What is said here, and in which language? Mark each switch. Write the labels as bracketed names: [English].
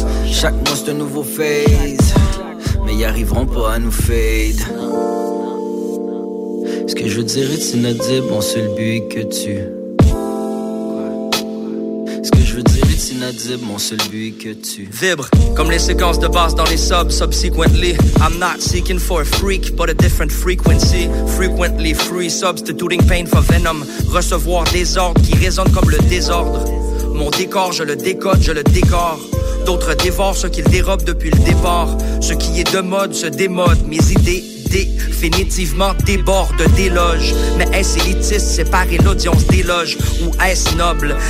[French] Chaque mois, c'est un nouveau phase. Mais ils arriveront pas à nous fade. Ce que je veux dire est inaudible, mon seul but est que tu. Ce que je veux dire est inaudible, mon seul but est que tu. Vibre, comme les séquences de basse dans les subs, [English] subsequently. I'm not seeking for a freak, but a different frequency. Frequently free, substituting pain for venom. [French] Recevoir des ordres qui résonnent comme le désordre. Mon décor, je le décode, je le décore. D'autres dévorent ce qu'ils dérobent depuis le départ. Ce qui est de mode se démode. Mes idées définitivement débordent, déloges. Mais est-ce élitiste, séparer l'audience des loges? Ou est-ce noble?